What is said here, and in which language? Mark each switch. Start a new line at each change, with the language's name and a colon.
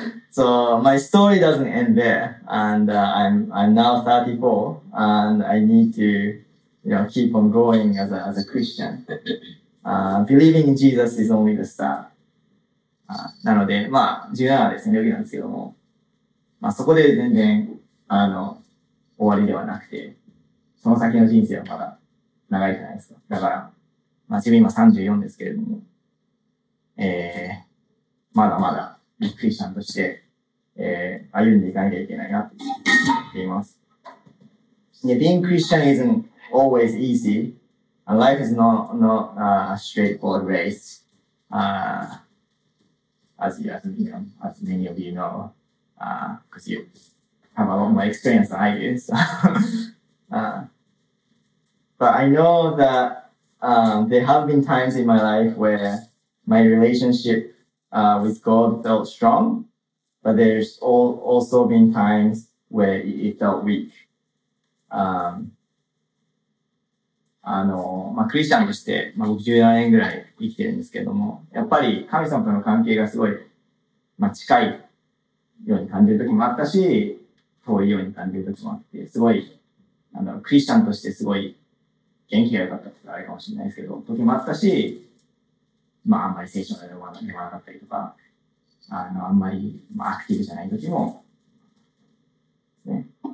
English: So, my story doesn't end there, and I'm now 34, and I need to, keep on going as a Christian. Believing in Jesus is only the start.
Japanese: なので、まあ、17ですね、余裕なんですけども。まあ、そこで全然、終わりではなくて、その先の人生はまだ長いじゃないですか。だから、まあ、自分今34ですけれども、まだまだ、クリスチャンとして、歩んでいかなきゃいけないなって思っています。
English: Yeah, being Christian isn't always easy. Life is not a straightforward race. As many of you know, because you have a lot more experience than I do. So. but I know that there have been times in my life where my relationship with God felt strong. But there's also been times where it felt weak.
Japanese: まあ、クリスチャンとして、まあ、僕17年ぐらい生きてるんですけども、やっぱり神様との関係がすごい、まあ、近いように感じる時もあったし、遠いように感じる時もあって、すごい、クリスチャンとしてすごい元気が良かったとかあれかもしれないですけど、時もあったし、まあ、あんまり聖書の読まなかったりとか、あんまり、まあ、アクティブじゃないときも、ね。